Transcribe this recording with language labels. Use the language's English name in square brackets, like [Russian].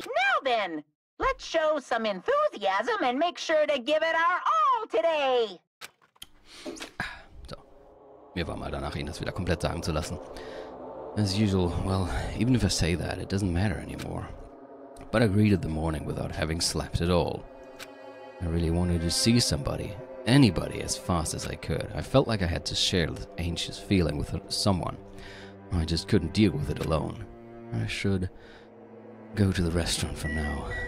[English] Now then, let's show some enthusiasm and make sure to give it our all today. [German] So, mir war mal danach, Ihnen das wieder komplett sagen zu lassen. [English] As usual, well, even if I say that, it doesn't matter anymore. But I greeted the morning without having slept at all. I really wanted to see somebody. Anybody as fast as I could. I felt like I had to share this anxious feeling with someone. I just couldn't deal with it alone. I should go to the restaurant for now.